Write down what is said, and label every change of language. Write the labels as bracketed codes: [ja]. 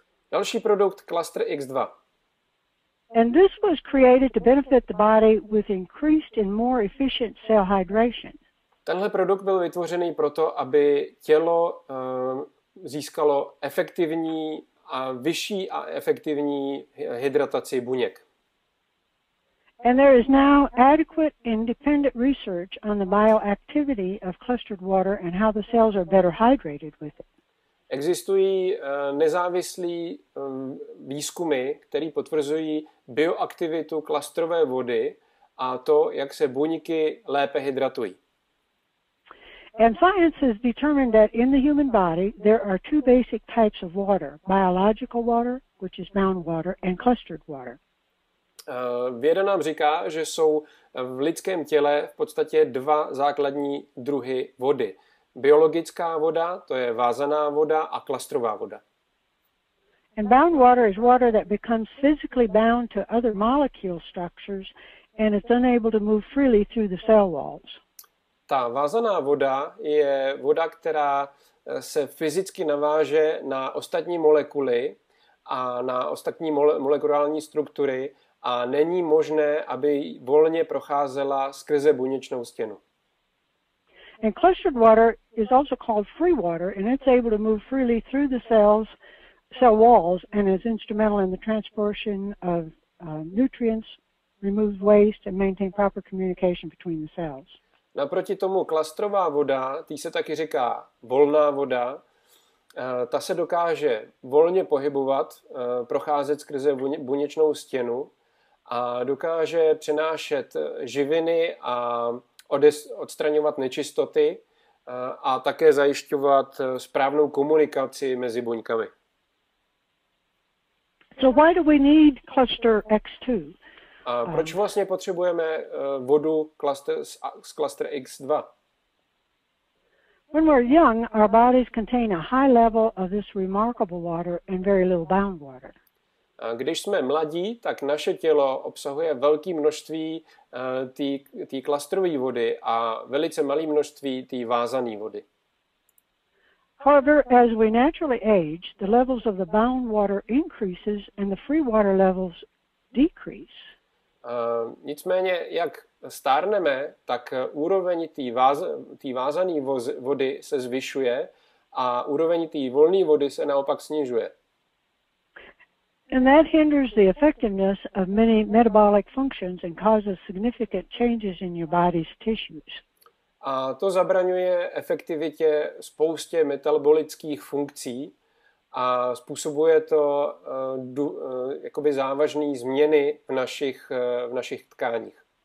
[cs] Další produkt, Cluster X2. [en] And this was created to benefit the body with increased and more efficient cell hydration. [cs] Tenhle produkt byl vytvořený proto, aby tělo získalo efektivní a vyšší a efektivní hydrataci buněk. [en] And there is now adequate independent research on the bioactivity of clustered water and how the cells are better hydrated with it. [cs] Existují nezávislé výzkumy, které potvrzují bioaktivitu klastrové vody a to, jak se buňky lépe hydratují. [en] And science has determined that in the human body there are two basic types of water, biological water, which is bound water, and clustered water. [cs] Věda nám říká, že jsou v lidském těle v podstatě dva základní druhy vody. Biologická voda, to je vázaná voda, a klastrová voda. [en] And bound water is water that becomes physically bound to other molecule structures and it's unable to move freely through the cell walls. [cs] Ta vázaná voda je voda, která se fyzicky naváže na ostatní molekuly a na ostatní molekulární struktury a není možné, aby volně procházela skrze buněčnou stěnu. [en] And clustered water is also called free water and it's able to move freely through the cells. Cell walls and is instrumental in the transportation of nutrients, removes waste and maintain proper communication between the cells. [cs] Naproti tomu klastrová voda, tý se taky říká volná voda, ta se dokáže volně pohybovat, procházet skrze buněčnou stěnu a dokáže přenášet živiny a odstraňovat nečistoty a také zajišťovat správnou komunikaci mezi buňkami. [en] So why do we need cluster X2? [cs] A proč vlastně potřebujeme vodu z cluster X2? [en] When we're young, our bodies contain a high level of this remarkable water and very little bound water. [cs] A když jsme mladí, tak naše tělo obsahuje velké množství té klastrové vody a velice malé množství té vázané vody. [en] However, as we naturally age, the levels of the bound water increases and the free water levels decrease. [cs] Nicméně, jak stárneme, tak úroveň té vázané vody se zvyšuje a úroveň té volné vody se naopak snižuje. [en] And that hinders the effectiveness of many metabolic functions and causes significant changes in your body's tissues. [cs] A to zabraňuje efektivitě spoustě metabolických funkcí a způsobuje to jakoby závažné změny v našich tkáních.